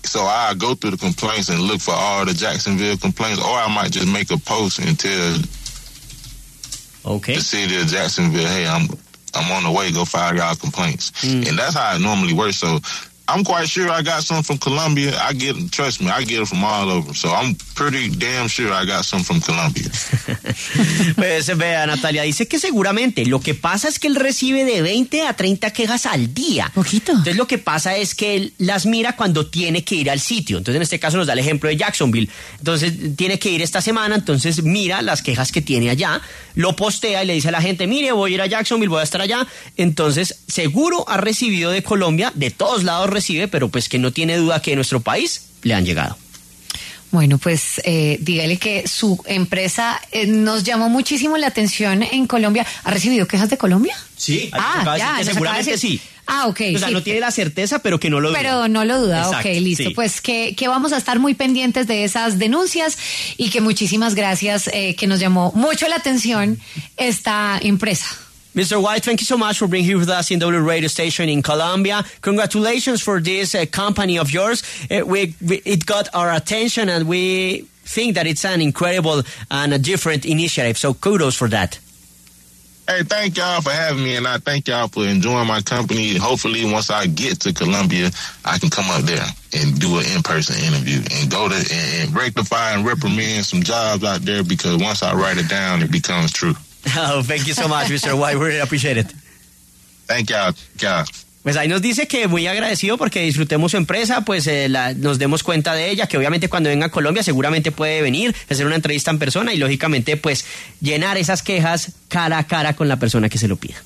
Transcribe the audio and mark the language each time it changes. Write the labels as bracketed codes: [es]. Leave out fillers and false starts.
[en] So I go through the complaints and look for all the Jacksonville complaints, or I might just make a post and tell the city of Jacksonville, hey, I'm on the way, go file y'all complaints. Mm. And that's how it normally works. So I'm quite sure I got some from Colombia. I get it from all over. So I'm pretty damn sure I got some from Colombia. [es] Pues vea, Natalia dice que seguramente. Lo que pasa es que él recibe de 20 a 30 quejas al día. Poquito. Entonces lo que pasa es que él las mira cuando tiene que ir al sitio. Entonces en este caso nos da el ejemplo de Jacksonville. Entonces tiene que ir esta semana, entonces mira las quejas que tiene allá, lo postea y le dice a la gente, mire, voy a ir a Jacksonville, voy a estar allá. Entonces seguro ha recibido de Colombia, de todos lados recibe, pero pues que no tiene duda que en nuestro país le han llegado. Bueno, pues dígale que su empresa nos llamó muchísimo la atención en Colombia. ¿Ha recibido quejas de Colombia? Sí, seguramente sí. Ah, ok. O sea, sí. No tiene la certeza, pero que no lo duda. Pero no lo duda. Exacto, ok, listo. Sí. Pues que vamos a estar muy pendientes de esas denuncias y que muchísimas gracias, que nos llamó mucho la atención esta empresa. [en] Mr. White, thank you so much for being here with us in W Radio Station in Colombia. Congratulations for this company of yours. It got our attention and we think that it's an incredible and a different initiative. So kudos for that. Hey, thank y'all for having me and I thank y'all for enjoying my company. Hopefully once I get to Colombia, I can come up there and do an in-person interview and go to and rectify and reprimand some jobs out there, because once I write it down, it becomes true. Oh, thank you so much, Mr. White. We really appreciate it. Thank you. [es] Pues ahí nos dice que muy agradecido porque disfrutemos su empresa, pues nos demos cuenta de ella, que obviamente cuando venga a Colombia seguramente puede venir, hacer una entrevista en persona y lógicamente pues llenar esas quejas cara a cara con la persona que se lo pida.